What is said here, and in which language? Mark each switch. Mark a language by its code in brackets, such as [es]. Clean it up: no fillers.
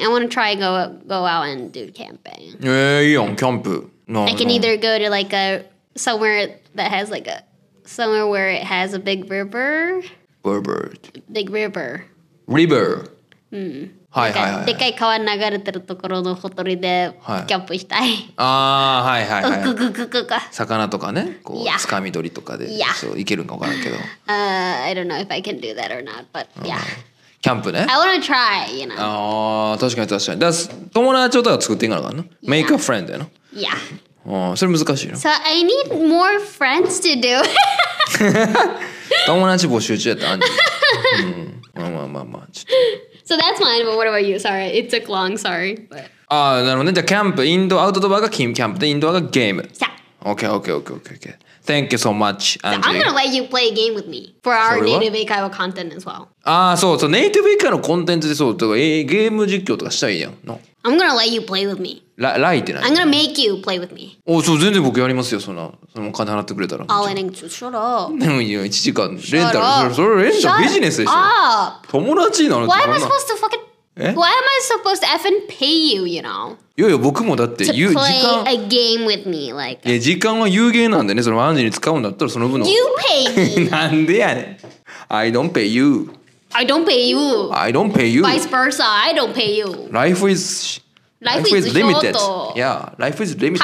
[en] I want to try go out and do camping. [ja] いいやん、キャンプ。 [en] I can either go to like a somewhere that has like a somewhere where it has a big river. River. Big river. River. [ja] はいはいはい。でかい川流れてるところのほとりでキャンプしたい。ああ、はいはいはい。ググググか。魚とかね、こう、つかみ取りとかで、そう、行けるのか分からんけど。 [en] I don't know if I can do that or not, but yeah. [ja] キャンプね。 [en] I wanna try, you know. [ja] ああ、確かに確かに。だ友達とか作っていいのかな ? [en] Make a friend, you know? Yeah. [ja] それ難しいの [en] ?So I need more friends to do it. [ja] 友達募集中やった。まあまあまあまあ、ちょっと。 [en] So that's mine, but what about you? Sorry, it took long, sorry. [ja] ああ、なるほどね。じゃあ、キャンプ、インド、アウトドアがキャンプで、インドアがゲーム。 [en] Yeah. Okay, okay, okay, okay, okay. Thank you so much, Angie. I'm gonna let you play a game with me for our native Eikaiwa content as well. [ja] ああ、そうそう、ネイティブ英会話のコンテンツでそう、とか、ゲーム実況とかしたいやん。 [en] No. I'm gonna let you play with me. [ja] ライってない [en] ? I'm gonna make you play with me. [ja] おそう、全然僕やりますよ、そんな。そのお金払ってくれたら。あ、レンタル、でもいいよ、1時間、レンタル。それレンタル、ビジネスでしょ。友達なの [en] Why am I supposed to fucking... Why am I supposed to effing pay you, you know? [ja] いやいや、僕もだって、時間。 [en] To play a game with me, like... [ja] いや、時間は有限なんでね、そのアンジーに使うんだったら、その分の。 [en] You pay me! [ja] なんでやねん。 [en] I don't pay you. I don't pay you. I don't pay you. Vice versa, I don't pay you. Life is limited. Yeah, life is limited.